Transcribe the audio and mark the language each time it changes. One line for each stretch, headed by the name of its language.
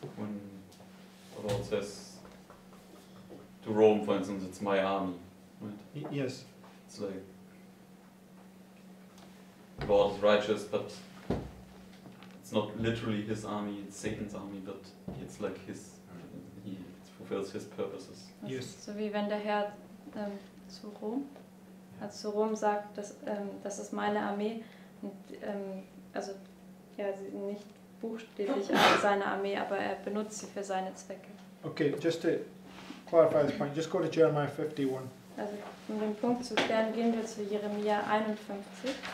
English: When the Lord says to Rome, for instance, it's my army, right? Yes. It's like God is righteous, but it's not literally his army, it's Satan's army, but it's like his, he fulfills his purposes. Yes.
German: So wie wenn der Herr zu Rom, also zu Rom sagt, dass das ist meine Armee, und, also ja, sie sind nicht buchstäblich seine Armee, aber er benutzt sie für seine Zwecke.
English: Okay, just to clarify this point, just go to Jeremiah 51.
German: Also um den Punkt zu klären, gehen wir zu Jeremia 51.